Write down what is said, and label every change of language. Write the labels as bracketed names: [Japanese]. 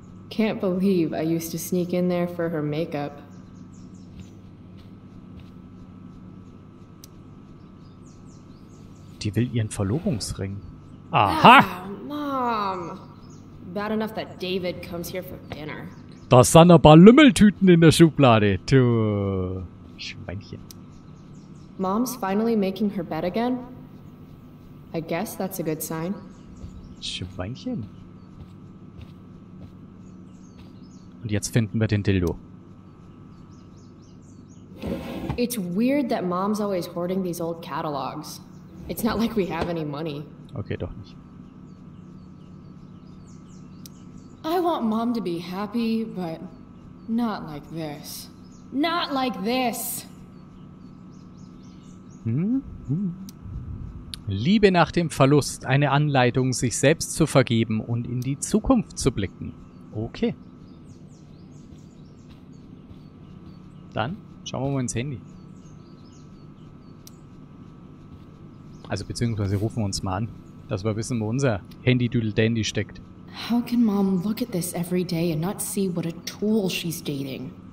[English] Can't believe I used to sneak in there for her makeup. [German] Die will ihren Verlobungsring. Aha! [English] Mom! Bad enough that David comes here for dinner. [German] Da sind ein paar Lümmeltüten in der Schublade. Du Schweinchen. [English] Mom's finally making her bed again? I guess that's a good sign. [German] Schweinchen. Und jetzt finden wir den Dildo. [English] It's weird that Mom's always hoarding these old catalogs. It's not like we have any money. [German] Okay, doch nicht. [English] I want Mom to be happy, but not like this. Not like this! [German] Liebe nach dem Verlust, eine Anleitung, sich selbst zu vergeben und in die Zukunft zu blicken. Okay. Dann schauen wir mal ins Handy. Also, beziehungsweise rufen wir uns mal an. Dass wir wissen, wo unser Handy-Doodle-Dandy steckt. [English] How can Mom look at this every day and not see what a tool she's dating?